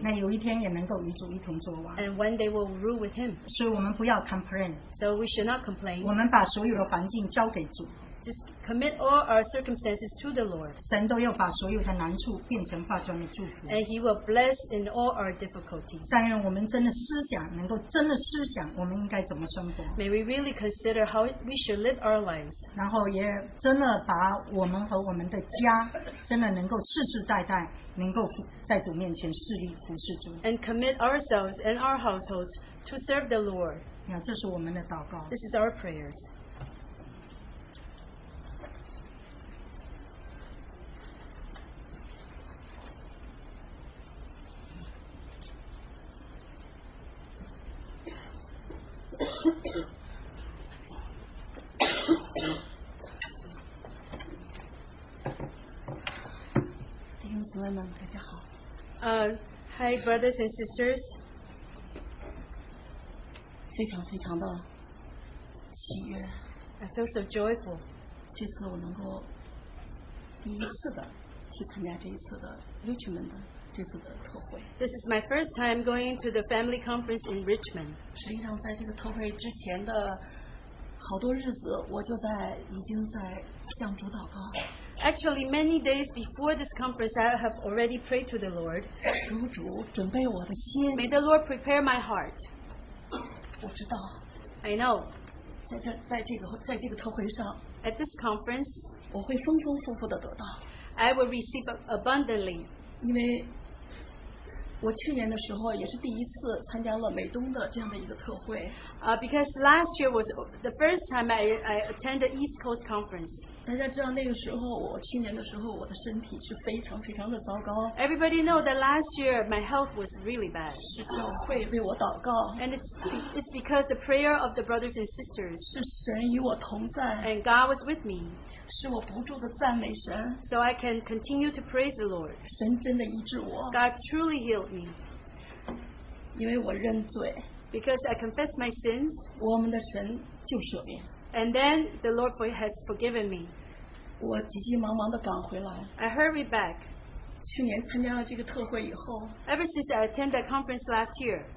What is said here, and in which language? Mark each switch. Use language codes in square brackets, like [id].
[zh] 那有一天也能够与主一同作王。 [en] And when they will rule with him. [zh] 所以我们不要 complain. [en] So we should not complain. [zh] 我们把所有的环境交给主。 [en] Just commit all our circumstances to the Lord. [zh] 神都要把所有的难处变成化妆的祝福。 [en] And He will bless in all our difficulties. [zh] 但愿我们真的思想，能够真的思想，我们应该怎么生活。 [en] May we really consider how we should live our lives. [zh] 然后也真的把我们和我们的家，真的能够世世代代能够在主面前侍立服侍主。 [en] And commit ourselves and our households to serve the Lord. [zh] 那这是我们的祷告。 [en] This is our prayers. Hi, brothers and sisters. [zh] 非常非常的喜悦。 [en] I feel so joyful. [zh] 这次我能够第一次的去参加这一次的 Richmond 的这次的特会。 [en] This is my first time going to the family conference in Richmond. [zh] 实际上，在这个特会之前的好多日子，我就在已经在向主祷告。 [en] Actually, many days before this conference, I have already prayed to the Lord. [zh] 主，准备我的心。 [en] May the Lord prepare my heart. [zh] 我知道。 [en] I know. [zh] 在这个特会上。 [en] At this conference, [zh] 我会丰丰富富的得到。 [en] I will receive abundantly. [zh] 因为我去年的时候也是第一次参加了美东的这样的一个特会。 [en] Because last year was the first time I attended East Coast Conference. [zh] 大家知道那个时候，我去年的时候，我的身体是非常非常的糟糕。 [en] Everybody know that last year my health was really bad. [zh] 是教会为我祷告。 [en] And it's because the prayer of the brothers and sisters. [zh] 是神与我同在。 [en] And God was with me. [zh] 是我不住的赞美神。 [en] So I can continue to praise the Lord. [zh] 神真的医治我。 [en] God truly healed me. [zh] 因为我认罪。 [en] Because I confess my sins. [zh] 我们的神就赦免. [en] And then the Lord has forgiven me. [zh] 我急急忙忙地赶回来. [en] I hurried back. [zh] 去年参加了这个特会以后, [en] ever since I attended that conference last year,